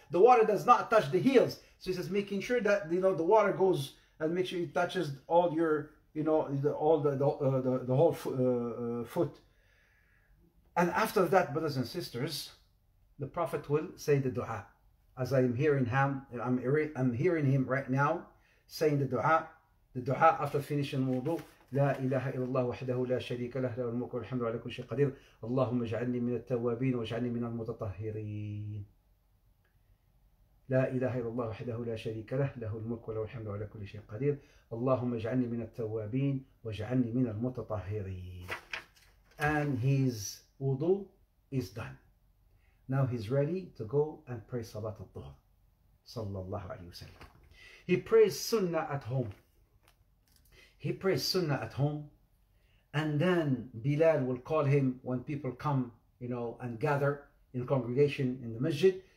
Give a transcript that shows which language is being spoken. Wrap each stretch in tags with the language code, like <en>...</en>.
<en>The water does not touch the heels. So he says, making sure that, you know, the water goes and make sure it touches all your, you know, the whole foot. And after that, brothers and sisters, the Prophet will say the dua. As I am hearing him, I'm hearing him right now saying the dua. The dua after finishing wudu.</en> <ar>لا إله إلا الله وحده لا شريك له له الملك والحمد على كل شيء قدير اللهم اجعلني من التوابين واجعلني من المتطهرين لا إله إلا الله وحده لا شريك له له الملك وله الحمد على كل شيء قدير اللهم اجعلني من التوابين واجعلني من المتطهرين</ar> <en>and his wudu is done. Now he's ready to go and pray</en> <ar>صلاة الظهر صلى الله عليه وسلم.</ar> <en>He prays sunnah at home. He prays sunnah at home. And then Bilal will call him when people come, you know, and gather in congregation in the masjid.</en>